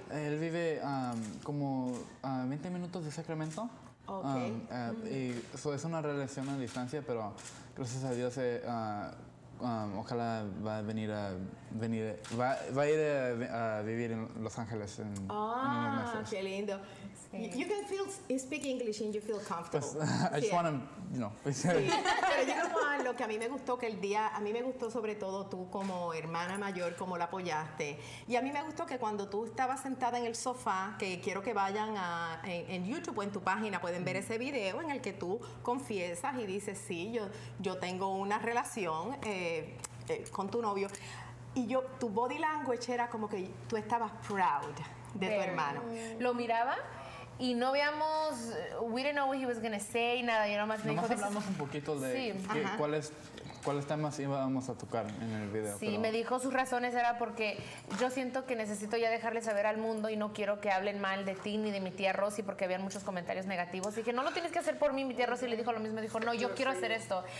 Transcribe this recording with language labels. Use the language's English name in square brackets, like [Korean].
[Spanish] Él vive como a 20 minutos de Sacramento. [English] Okay. [Spanish] Y es una relación a distancia, pero gracias a Dios, ojalá va a venir a vivir en Los Ángeles en unos meses. Ah, qué lindo. Sí. [English] You can feel, you speak English and you feel comfortable. Pues, I just want him, you know. [Spanish] Sí, pero yo, Juan, lo que a mí me gustó, que el día, a mí me gustó sobre todo tú como hermana mayor, cómo la apoyaste. Y a mí me gustó que cuando tú estabas sentada en el sofá, que quiero que vayan en YouTube o en tu página, pueden ver ese video en el que tú confiesas y dices, sí, yo tengo una relación con tu novio. Y yo, tu body language era como que tú estabas proud de tu hermano. Lo miraba. Y no habíamos, [English] we didn't know what he was going to say, [Spanish] nada, yo nomás me dijo. Nomás hablamos un poquito de cuáles temas íbamos a tocar en el video. Sí, pero me dijo sus razones, era porque yo siento que necesito ya dejarle saber al mundo y no quiero que hablen mal de ti ni de mi tía Rosy porque habían muchos comentarios negativos. Y dije, no lo tienes que hacer por mí, mi tía Rosy le dijo lo mismo, dijo, no, yo quiero hacer esto.